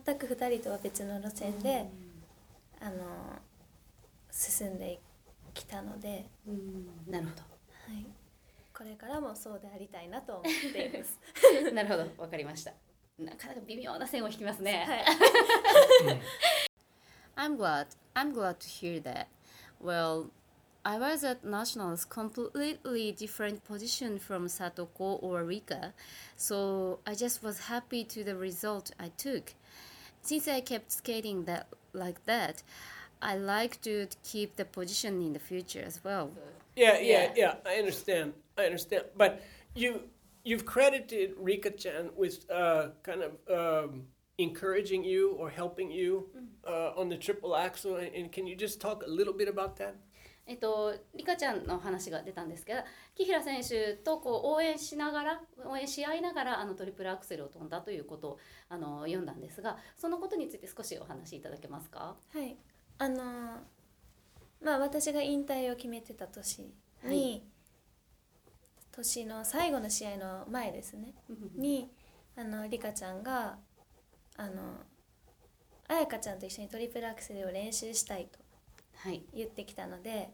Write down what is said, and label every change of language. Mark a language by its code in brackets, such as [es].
[ja] 全く2人とは別の路線で、進んできたので、なるほど、はい、これからもそうでありたいなと思っていますなるほど、わかりました。なかなか微妙な線を引きますね、 [en] はい、I'm glad to hear that. WellI was at Nationals completely different position from Satoko or Rika, so I just was happy to the result I took. Since I kept skating that, like that, I like to keep the position in the future as well. Yeah, I understand. But you've credited Rika-chan with kind of encouraging you or helping you on the triple axel, and can you just talk a little bit about that? [ja] リカちゃんの話が出たんですけど、木平選手とこう応援しながら、応援し合いながらあのトリプルアクセルを飛んだということをあの読んだんですが、そのことについて少しお話しいただけますか？はい、まあ、私が引退を決めてた年に、はい、年の最後の試合の前ですねにリカちゃんが彩香ちゃんと一緒にトリプルアクセルを練習したいと言ってきたので、